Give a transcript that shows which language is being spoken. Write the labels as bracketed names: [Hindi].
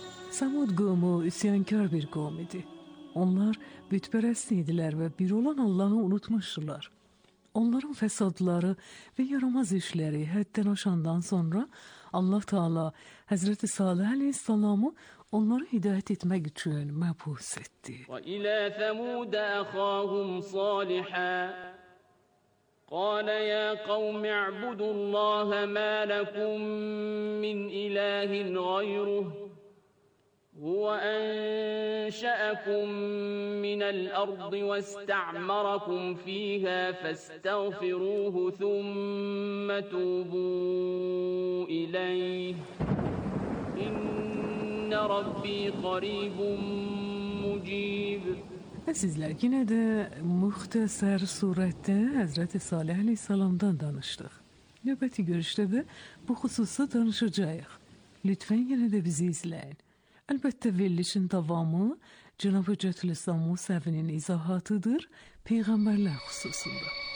[Azerbaijani] Samud qomu üsyankar bir qom idi. Onlar bütpərəst idilər və bir olan Allahı unutmuşdular. Onların fəsadları və yaramaz işləri həddən aşandan sonra Allah Taala Həzrəti Salih əleyhissalamı onları hidayət etmək üçün məbus etdi. Və ilə Samud əxahum salihə [Arabic] قال يا قوم اعبدوا الله ما لكم من إله غيره هو أنشأكم من الأرض واستعمركم فيها فاستغفروه ثم توبوا إليه إن ربي قريب مجيب. [Azerbaijani] Əzizlər, yenə də müxtəsər surətdə Həzrəti Salih əleyhissalamdan danışdıq. Növbəti görüşdə də bu xüsusda danışacağıq. Lütfən yenə də bizi izləyin. Əlbəttə, verilişin davamı Cənab-ı Cətülislam Musəvinin izahatıdır Peyğəmbərlər xüsusunda.